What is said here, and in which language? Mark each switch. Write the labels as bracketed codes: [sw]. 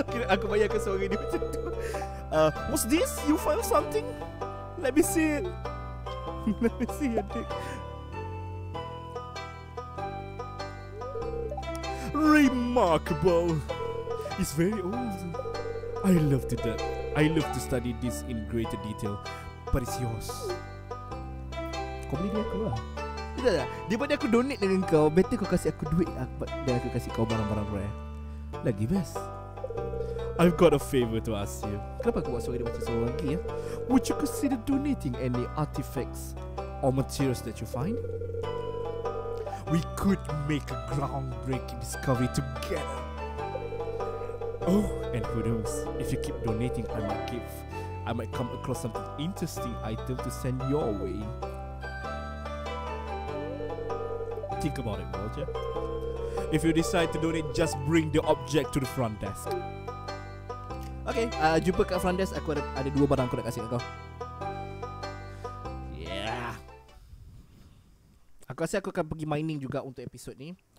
[ms] Aku bayangkan suara dia macam tu. [en] What's this? You found something? Let me see it. Let me see your dick. Remarkable. It's very old. I love to that. I love to study this in greater detail. But it's yours. [ms] Kau beli dia aku lah. Tidak tak? Dia buat aku donate dengan kau. Better kau kasih aku duit aku, dan aku kasih kau barang-barang rare. Lagi best. [en] I've got a favor to ask you. [ms] Kenapa aku buat suara dia macam suara lagi ya? [en] Would you consider donating any artifacts or materials that you find? We could make a groundbreaking discovery together. Oh, and who knows? If you keep donating, I might come across some interesting item to send your way. Think about it, Walter. If you decide to donate, just bring the object to the front desk. [ms] Okay, jumpa kat front desk. Aku ada dua barang aku nak kasih kat kau. [en] Yeah. [ms] Aku rasa aku akan pergi mining juga untuk episod ni.